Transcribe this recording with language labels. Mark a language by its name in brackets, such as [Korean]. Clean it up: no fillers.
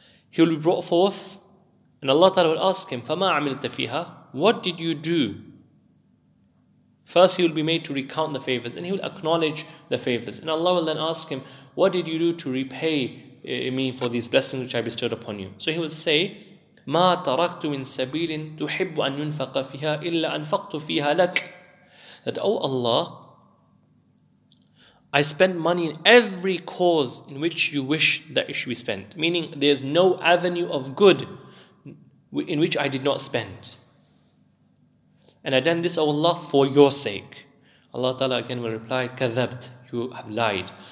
[English] He will be brought forth, and Allah Ta'ala will ask him, [Arabic] فَمَا عَمِلْتَ فِيهَا, [English] what did you do First, he will be made to recount the favors, and he will acknowledge the favors. And Allah will then ask him, what did you do to repay me for these blessings which I bestowed upon you? So he will say, [Arabic] مَا تَرَقْتُ مِن سَبِيلٍ تُحِبُّ أَن يُنْفَقَ فِيهَا إِلَّا أَنْفَقْتُ فِيهَا لَكَ. [English] That, O Allah, I spend money in every cause in which you wish that it should be spent. Meaning, there's no avenue of good in which I did not spend. And I done this, O Allah, for your sake. Allah Ta'ala again will reply, كَذَبْتْ, you have lied.